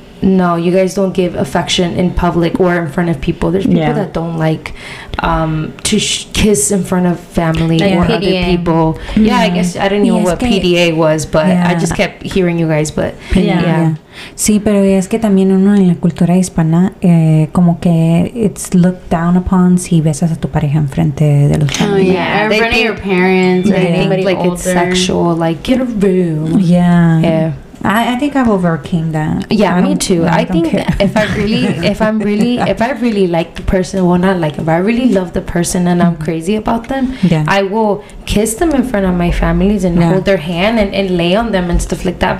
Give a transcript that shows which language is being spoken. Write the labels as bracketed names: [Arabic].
[English] No, you guys don't give affection in public or in front of people. There's people that don't like to kiss in front of family or PDA. Other people. Mm-hmm. Yeah, I guess I didn't know what PDA was, but I just kept hearing you guys. But [Spanish] Sí, pero es que también uno en la cultura hispana, como que [English] it's looked down upon [Spanish] si besas a tu pareja en frente de los [English] familiares. Oh, yeah. Or in front of your parents. Or anybody older. Like, it's sexual. Like, get a room. I think I've overcame that. Yeah, me too. I think if I really like the person, well, not like, if I really love the person and I'm crazy about them, I will kiss them in front of my families and hold their hand and lay on them and stuff like that.